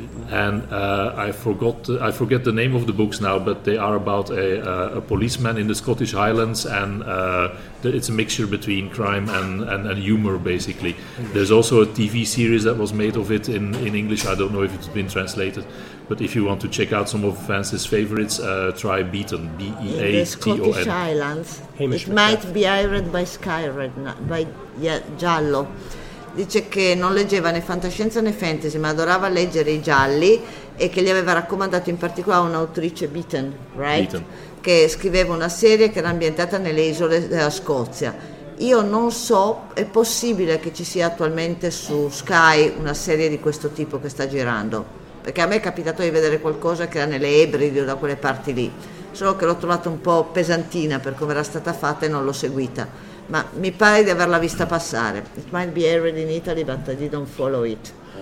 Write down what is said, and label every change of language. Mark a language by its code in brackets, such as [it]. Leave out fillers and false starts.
[en] And I forget the name of the books now, but they are about a policeman in the Scottish Highlands, and it's a mixture between crime and humor, basically. There's also a TV series that was made of it in English. I don't know if it's been translated. But if you want to check out some of Vance's favorites, try Beaton, B-E-A-T-O-N. The Scottish Islands. Hamish it might be hired by Sky Red, by Giallo. [it] Dice che non leggeva né fantascienza né fantasy, ma adorava leggere i gialli e che gli aveva raccomandato in particolare un'autrice, Beaton, [en] right? [it] Beaton. Che scriveva una serie che era ambientata nelle isole della Scozia. Io non so, è possibile che ci sia attualmente su Sky una serie di questo tipo che sta girando? Perché a me è capitato di vedere qualcosa che era nelle Ebridi o da quelle parti lì, solo che l'ho trovata un po' pesantina per come era stata fatta e non l'ho seguita, ma mi pare di averla vista passare. [en] It might be aired in Italy but I didn't follow it.